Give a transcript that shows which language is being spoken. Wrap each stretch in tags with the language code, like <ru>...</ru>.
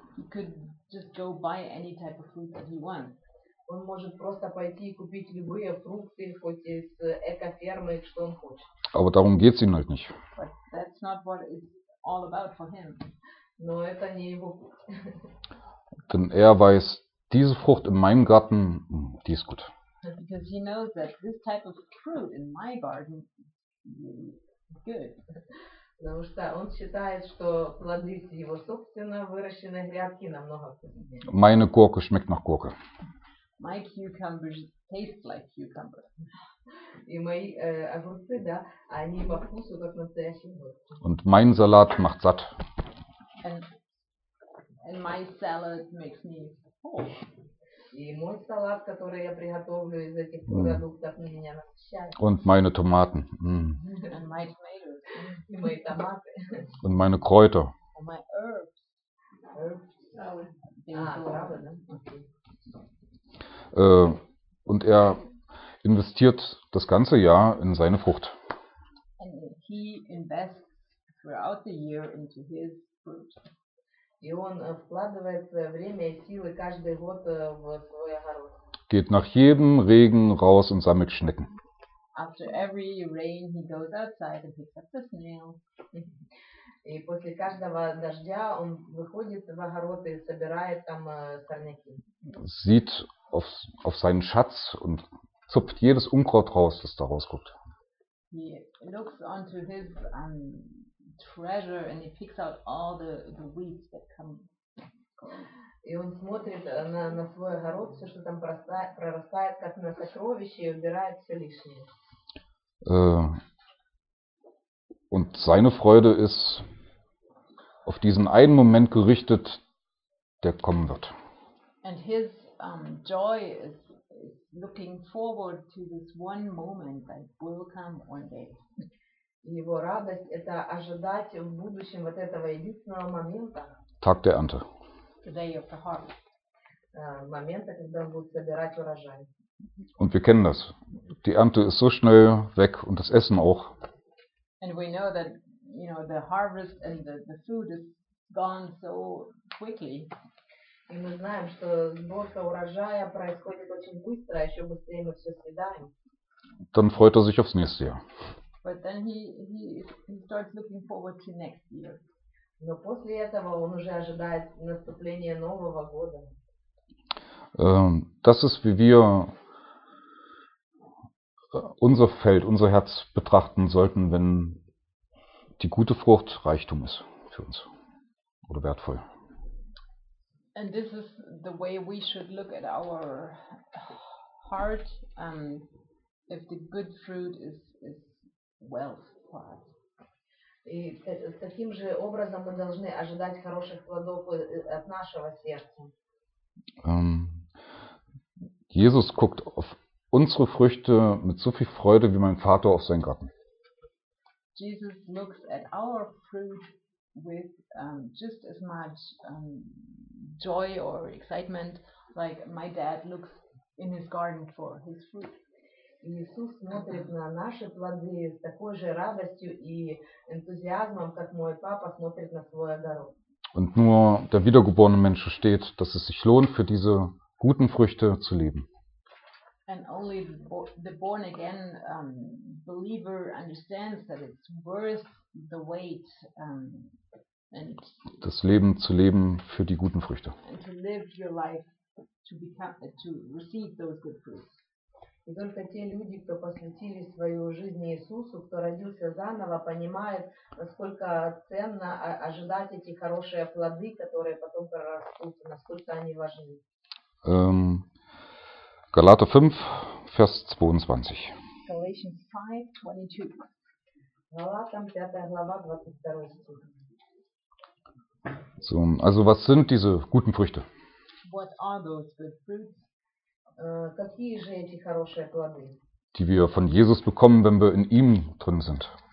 <en>He could just go buy any type of fruit that he wants.</en> <ru>Он может просто пойти и купить любые фрукты, хоть из экофермы, что он хочет.</ru> <de>Aber darum geht's ihm halt nicht.</de> <en>But that's not what it's all about for him.</en> <ru>Но это не его.</ru> <de>Denn er weiß, diese Frucht in meinem Garten, die ist gut.</de> <en>Because he knows that this type of fruit in my garden is good.</en> <ru>Потому что он считает, что плоды из его собственно выращенной грядки намного вкуснее.</ru> <de>Meine Gurke schmeckt nach Gurke.</de> <en>My cucumbers taste like cucumber.</en> <ru>И мои огурцы, да, они по вкусу как настоящие огурцы.</ru> <de>Und mein Salat macht satt.</de> <en>And my salad makes me full.</en> <ru>И мой салат, который я приготовлю из этих продуктов, меня насыщает.</ru> <de>Und meine Tomaten.</de> <en>And my tomatoes.</en> <ru>И мои томаты.</ru> <de>Und meine Kräuter.</de> <en>And my herbs. Herbs.</en> <ru>Ah, правда, да?</ru> <de>Und er investiert das ganze Jahr in seine Frucht.</de> <en>And he invests throughout the year into his fruit.</en> <ru>И он вкладывает время и силы каждый год в свой огород.</ru> <de>Geht nach jedem Regen raus und sammelt Schnecken.</de> <en>After every rain he goes outside and picks up the snails.</en> <ru>И после каждого дождя он выходит в огород и собирает там сорняки.</ru> <de>Sieht auf seinen Schatz und zupft jedes Unkraut raus, das da rausguckt.</de> <en>He looks onto his treasure and he picks out all the weeds that come.</en> <ru>И он смотрит на свой огород, все, что там прорастает, как на сокровище, и убирает все лишнее.</ru> <de>Und seine Freude ist auf diesen einen Moment gerichtet, der kommen wird.</de> <en>And his joy is looking forward to this one moment that will come one day.</en> <ru>Его радость это ожидать в будущем вот этого единственного момента.</ru> <de>Tag der Ernte.</de> <en>The day of the harvest.</en> <ru>Момента, когда он будет собирать урожай.</ru> <de>Und wir kennen das. Die Ernte ist so schnell weg und das Essen auch.</de> <en>And we know that, you know, the harvest and the food is gone so quickly.</en> <ru>И мы знаем, что сборка урожая происходит очень быстро, еще быстрее мы все съедаем.</ru> <de>Dann freut er sich aufs nächste Jahr.</de> <en>But then he starts looking forward to next year.</en> <ru>Но после этого он уже ожидает наступления нового года.</ru> <de>Das ist, wie wir unser Feld, unser Herz betrachten sollten, wenn die gute Frucht Reichtum ist für uns oder wertvoll.</de> <en>And this is the way we should look at our heart, if the good fruit is wealth for us.</en> <ru>И с таким же образом мы должны ожидать хороших плодов от нашего сердца.</ru> <de>Jesus guckt auf unsere Früchte mit so viel Freude wie mein Vater auf seinen Garten.</de> <en>Jesus looks at our fruit with just as much joy or excitement like my dad looks in his garden for his fruit.</en> <ru>Иисус смотрит на наши плоды с такой же радостью и энтузиазмом, как мой папа смотрит на свой огород.</ru> <de>Und nur der wiedergeborene Mensch versteht, dass es sich lohnt, für diese guten Früchte zu leben.</de> <en>And only the born again believer understands that it's worth the wait and</en> <de>das Leben zu leben für die guten Früchte.</de> <en>And to live your life to become to receive those good fruits.</en> <ru>И только те люди, кто посвятили свою жизнь Иисусу, кто родился заново, понимают, насколько ценно ожидать эти хорошие плоды, которые потом прорастут, насколько они важны.</ru> <de>Galater 5, Vers 22.</de> <en>Galatians 5, 22.</en> <ru>Galatam 5, глава 22.</ru> <de>Stich. So, also was sind diese guten Früchte?</de> <en>What are those good fruits?</en> <ru>Какие же эти хорошие плоды?</ru> <de>Die wir von Jesus bekommen, wenn wir in ihm drin sind.</de>